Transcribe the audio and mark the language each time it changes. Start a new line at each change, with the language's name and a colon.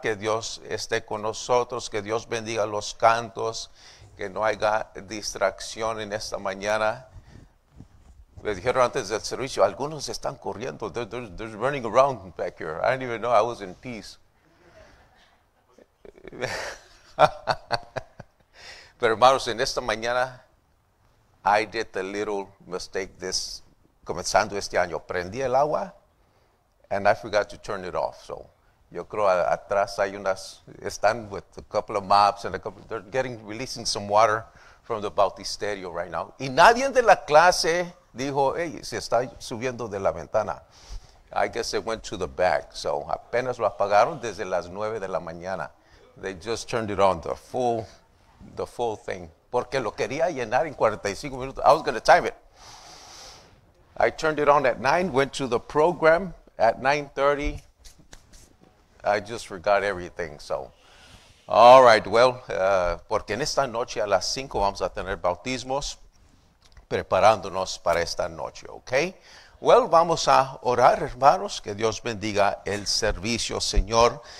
Spanish: Que Dios esté con nosotros, que Dios bendiga los cantos, que no haya distracción en esta mañana. Me dijeron antes del servicio, algunos están corriendo.
English: They're running around back here. I didn't even know I was in peace.
Spanish: Pero hermanos, en esta mañana,
English: I did the little mistake this,
Spanish: comenzando este año. Prendí el agua.
English: And I forgot to turn it off. So,
Spanish: yo creo atrás hay unas, están
English: with a couple of mops and a couple, they're getting, releasing some water from the bautisterio right now.
Spanish: Y nadie de la clase dijo, hey, se está subiendo de la ventana.
English: I guess it went to the back.
Spanish: So, apenas lo apagaron desde las 9 de la mañana.
English: They just turned it on, the full thing.
Spanish: Porque lo quería llenar en 45 minutos.
English: I was going to time it. I turned it on at 9, went to the program. At 9:30, I just forgot everything, so. All right, well,
Spanish: porque en esta noche a las 5 vamos a tener bautismos preparándonos para esta noche, okay? Well, vamos a orar, hermanos. Que Dios bendiga el servicio, Señor.